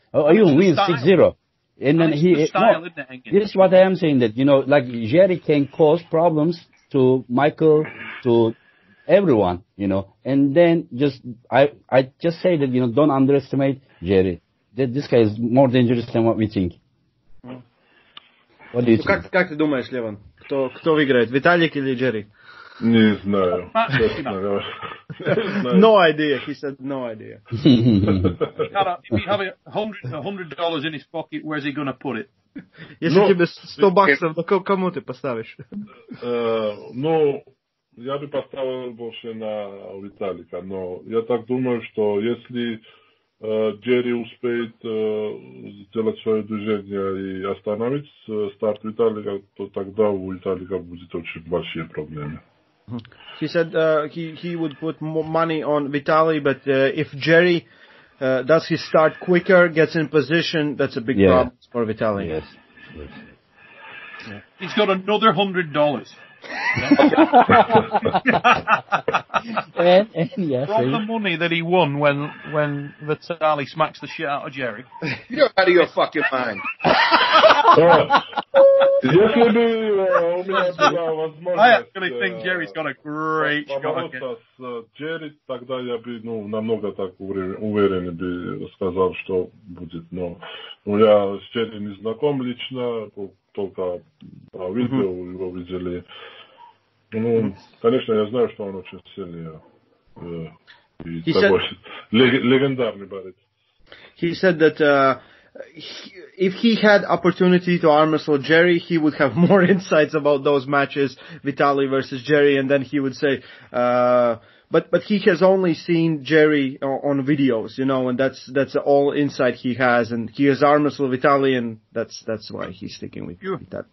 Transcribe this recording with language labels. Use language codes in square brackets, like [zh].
[en] Oh, you win 6-0. And then this is what I am saying, that, you know, like Jerry can cause problems to Michael, to everyone, you know, and then just, I just say that, you know, don't underestimate Jerry. This guy is more dangerous than what we think. What do you think? [ru] Как ты думаешь, Леван, кто выиграет, Виталик или Джерри? Не знаю. [en] No idea. He said no idea. If he have $100 in his pocket, where's he gonna put it? [ru] Если тебе $100, то кому ты поставишь? Ну, я бы поставил больше на Виталика, но я так думаю, что если Джерри успеет сделать свое движение и остановить старт Виталика, то тогда у Виталика будет очень большие проблемы. [en] He said he would put more money on Vitaly, but if Jerry does his start quicker, gets in position, that's a big problem for Vitaly. Yes. Yes. Yeah. He's got another $100. and the money that he won when Vitaly smacks the shit out of Jerry. You're out of your fucking mind. I actually think Jerry's got a great shot. [ru] Jerry, тогда я бы, ну, намного так уверен бы сказал, что будет, но я с Jerry не знаком лично, только по видео его видели. Ну, конечно, я знаю, что он очень сильный и такой легендарный борец. [en] He said that if he had opportunity to arm wrestle Jerry, he would have more insights about those matches, Vitaly versus Jerry, and then he would say, but he has only seen Jerry on videos, you know, and that's all insight he has, and he has arm wrestled Vitaly, and that's why he's sticking with that.